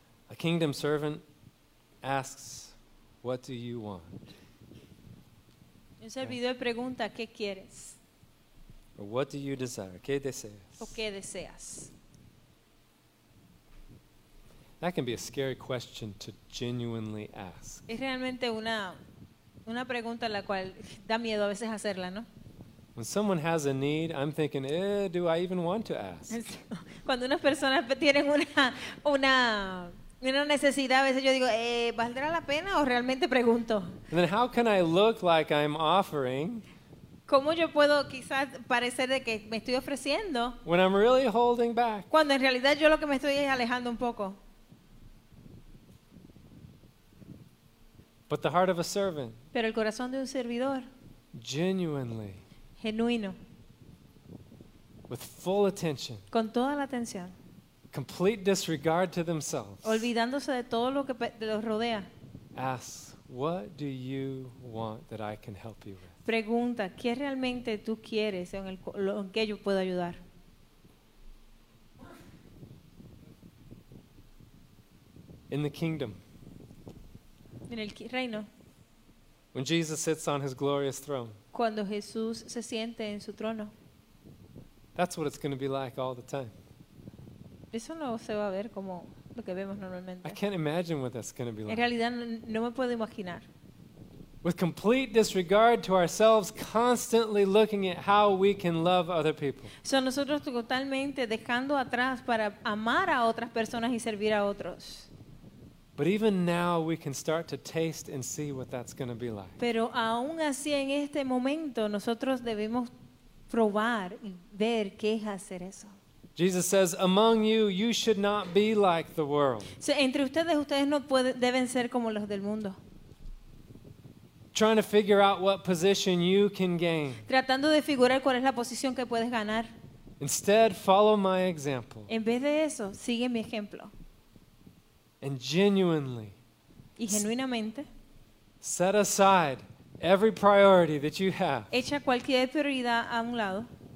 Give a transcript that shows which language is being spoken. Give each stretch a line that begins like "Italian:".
English: A kingdom servant asks, "What do you want?"
Spanish: Un servidor pregunta, ¿qué quieres?
English: Or what do you desire?
Spanish: ¿Qué deseas? ¿O qué deseas?
English: That can be a scary question to genuinely ask.
Spanish: Es realmente una pregunta a la cual da miedo a veces hacerla, ¿no?
English: When someone has a need, I'm thinking, do I even want to ask?
Spanish: Cuando unas personas tienen una necesidad, a veces yo digo, ¿valdrá la pena o realmente pregunto?
English: And then how can I look like I'm offering?
Spanish: ¿Cómo yo puedo quizás parecer de que me estoy ofreciendo?
English: When I'm really holding back.
Spanish: Cuando en realidad yo lo que me estoy es alejando un poco.
English: But the heart of a servant.
Spanish: Pero el corazón de un servidor.
English: Genuinely.
Spanish: Genuino.
English: With full attention.
Spanish: Con toda la atención.
English: Complete disregard to themselves.
Spanish: Olvidándose de todo lo que los rodea.
English: Ask, what do you want that I can help you with?
Spanish: Pregunta, ¿qué realmente tú quieres en qué yo puedo ayudar?
English: In the kingdom.
Spanish: En el reino.
English: When Jesus sits on his glorious throne.
Spanish: Cuando Jesús se siente en su trono.
English: That's what it's going to be like all the time.
Spanish: Eso no se va a ver como lo que vemos normalmente.
English: I can't imagine what that's going to be like.
Spanish: En realidad no me puedo imaginar.
English: With complete disregard to ourselves, constantly looking at how we can love other people.
Spanish: So nosotros totalmente dejando atrás para amar a otras personas y servir a otros.
English: But even now we can start to taste and see what that's going to be like.
Spanish: Pero aún así en este momento nosotros debemos probar y ver qué es hacer eso.
English: Jesus says, "Among you, you should not be like the world."
Spanish: So, entre ustedes, ustedes no pueden, deben ser como los del mundo.
English: Trying to figure out what position you can gain.
Spanish: Tratando de figurar cuál es la posición que puedes ganar.
English: Instead, follow my example.
Spanish: En vez de eso, sigue mi ejemplo.
English: And genuinely.
Spanish: Y genuinamente.
English: Set aside every priority that you have.
Spanish: Echa cualquier prioridad a un lado.